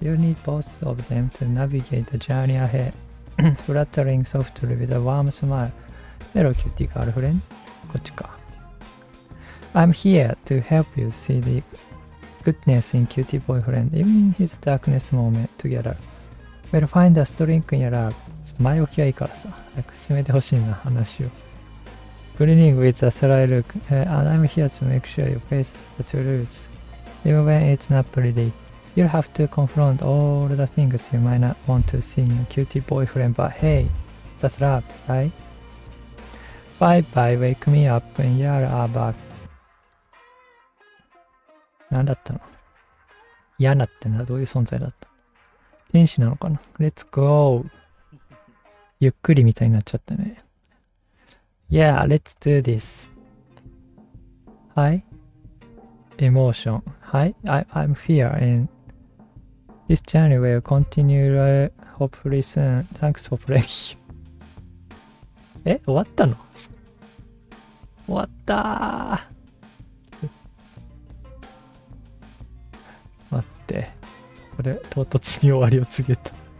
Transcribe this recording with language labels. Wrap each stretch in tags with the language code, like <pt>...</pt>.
<en>You need both of them to navigate the journey ahead. Fluttering softly with a warm smile. Hello, cutie girlfriend.</en> <ja>こっちか。</ja> <en>I'm here to help you see the goodness in cutie boyfriend, even in his darkness moment together. We'll find the strength in your love.</en> <ja>ちょっと前置きはいいからさ。早く進めてほしいな、話を。</ja> <en>Grinning with a sly look, and I'm here to make sure you face the truth. Even when it's not pretty, you'll have to confront all the things you might not want to see in a cutie boyfriend, but hey, that's love, right? Bye bye, wake me up when you're back.</en> <ja>何だったの？ヤナってのはどういう存在だった？天使なのかな？</ja> <en>Let's go!</en> <ja>ゆっくりみたいになっちゃったね。</ja> <en>Yeah, let's do this. Hi, emotion. Hi, I'm fear, and this journey will continue hopefully soon. Thanks for playing.</en> <ja>え、終わったの？終わったー。待って、これ唐突に終わりを告げた。</ja>